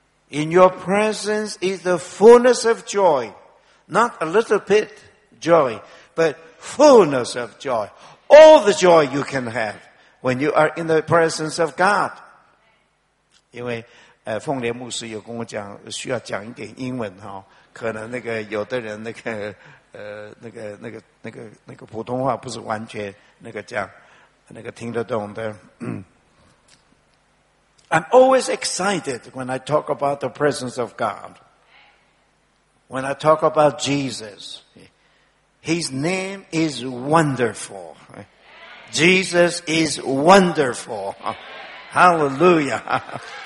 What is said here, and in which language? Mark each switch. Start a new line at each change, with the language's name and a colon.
English: In your presence is the fullness of joy, not a little bit joy, but fullness of joy. All the joy you can have when you are in the presence of God.
Chinese: 因为凤莲牧师有跟我讲，需要讲一点英文哈、哦。可能那个有的人那个普通话不是完全那个这样那个听得懂的。
English: I'm always excited when I talk about the presence of God. When I talk about Jesus, His name is wonderful. Jesus is wonderful. Hallelujah.